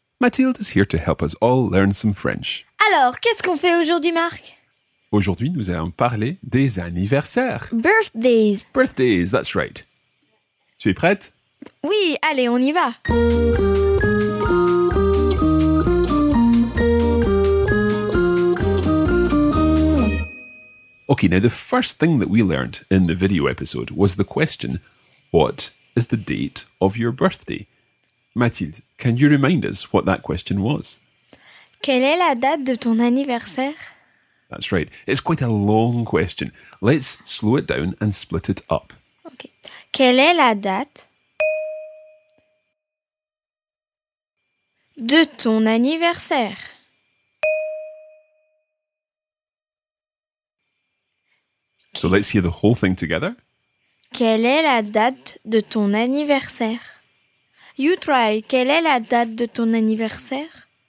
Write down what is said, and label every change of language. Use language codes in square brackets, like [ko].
[en] Mathilde is here to help us all learn some French [fr] Alors qu'est-ce qu'on fait aujourd'hui Marc Aujourd'hui nous allons parler des anniversaires [en] Birthdays Birthdays, that's right [fr] Tu es prête? Oui, allez, on y va. [en] Okay, now the first thing that we learned in the video episode was the question, what is the date of your birthday? Mathilde, can you remind us what that question was? [fr] Quelle est la date de ton anniversaire? [en] That's right. It's quite a long question. Let's slow it down and split it up. Okay. [fr] Quelle est la date de ton anniversaire? [en] So let's hear the whole thing together. [fr] Quelle est la date de ton anniversaire? [en] You try. [fr] Quelle est la date de ton anniversaire?